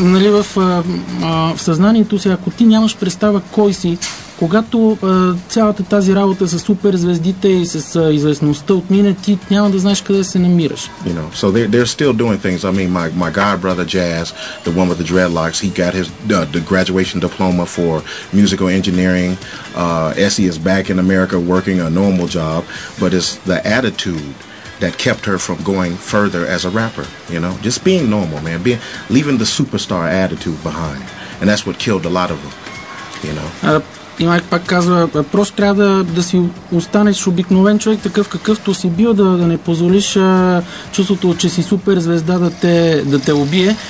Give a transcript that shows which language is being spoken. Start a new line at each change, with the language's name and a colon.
Bulgarian: в съзнанието си, ако ти нямаш представа кой си, когато цялата тази работа с суперзвездите и с известността отмине, ти няма да знаеш къде се намираш.
English: You know, so they're still doing things. I mean, my god brother Jazz, the one with the dreadlocks, he got his the graduation diploma for musical engineering. Essie is back in America working a normal job, but it's the attitude that kept her from going further as a rapper, you know, just being normal, man, being leaving the superstar attitude behind, and that's what killed a lot of them, you know.
Bulgarian: И Майк пак казва, просто трябва да си останеш обикновен човек, такъв какъвто си бил, да не позволиш чувството, че си супер звезда да те убие.